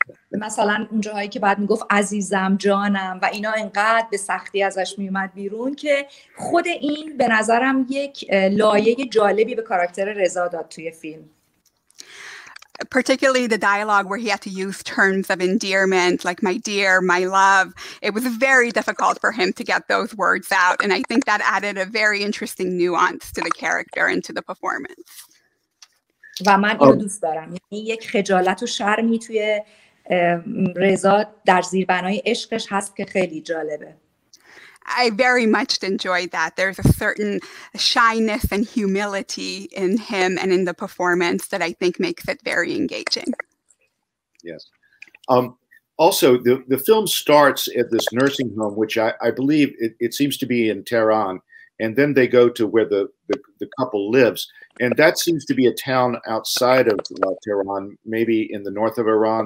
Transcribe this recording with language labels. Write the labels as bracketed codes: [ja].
[fa] مثلا اونجاهایی که بعد میگفت عزیزم جانم و اینا اینقدر به سختی ازش میومد بیرون که خود این به نظرم یک لایه جالبی به کاراکتر رضا داد توی فیلم [en] Particularly the dialogue where he had to use terms of endearment, like my dear, my love. It was very difficult for him to get those words out. And I think that added a very interesting nuance to the character and to the performance. [fa] و من اینو دوست دارم. یعنی یک خجالت و شرمی توی رضا در زیربنای عشقش هست که خیلی جالبه. [en] I very much enjoyed that. There's a certain shyness and humility in him and in the performance that I think makes it very engaging. Yes. Also, the film starts at this nursing home, which I believe it seems to be in Tehran, and then they go to where the couple lives, and that seems to be a town outside of Tehran, maybe in the north of Iran.